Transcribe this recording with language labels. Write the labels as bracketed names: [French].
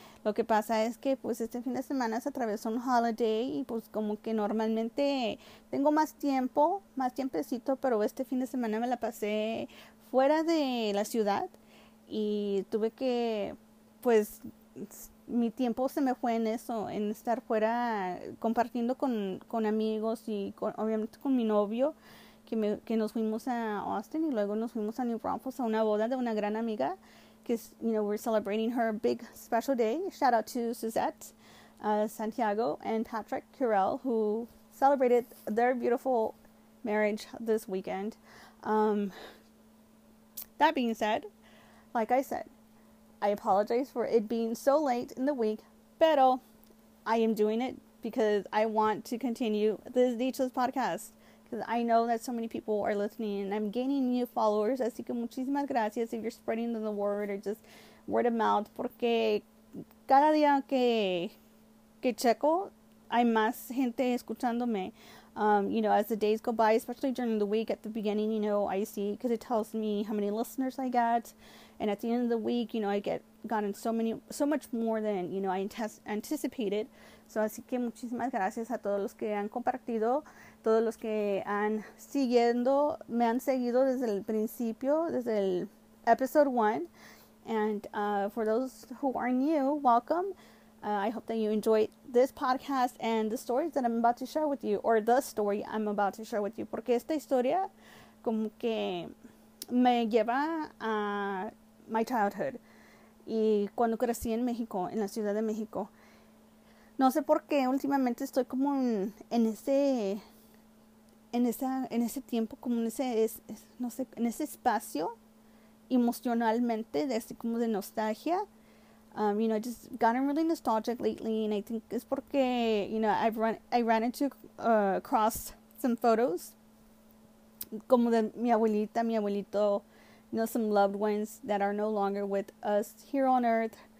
[Spanish] Lo que pasa es que, pues, este fin de semana se atravesó un holiday y, pues, como que normalmente tengo más tiempecito, pero este fin de semana me la pasé fuera de la ciudad y tuve que, pues, mi tiempo se me fue en eso, en estar fuera compartiendo con amigos y, obviamente, con mi novio, que nos fuimos a Austin y luego nos fuimos a New Braunfels a una boda de una gran amiga. [English] Because, you know, we're celebrating her big special day. Shout out to Suzette, Santiago, and Patrick Curell, who celebrated their beautiful marriage this weekend. That being said, like I said, I apologize for it being so late in the week, pero I am doing it because I want to continue this Dichos podcast. Because I know that so many people are listening and I'm gaining new followers. [Spanish] Así que muchísimas gracias [English] if you're spreading the word or just word of mouth. [Spanish] Porque cada día que checo, hay más gente escuchándome. [English] You know, as the days go by, especially during the week at the beginning, you know, I see because it tells me how many listeners I got. And at the end of the week, you know, I get gotten so much more than, you know, I anticipated. [Spanish] So, así que muchísimas gracias a todos los que han compartido, todos los que han siguiendo, me han seguido desde el principio, desde el [English] episode one. And for those who are new, welcome. I hope that you enjoy this podcast and the stories that I'm about to share with you, or the story I'm about to share with you. [Spanish] Porque esta historia como que me lleva a [English] my childhood. [Spanish] Y cuando crecí en México, en la Ciudad de México. No sé por qué últimamente estoy como en ese espacio emocionalmente de así como de nostalgia. [English] You know, I just gotten really nostalgic lately, and I think it's porque, you know, I ran across some photos [Spanish] como de mi abuelita, mi abuelito, [English] you know, some loved ones that are no longer with us here on earth.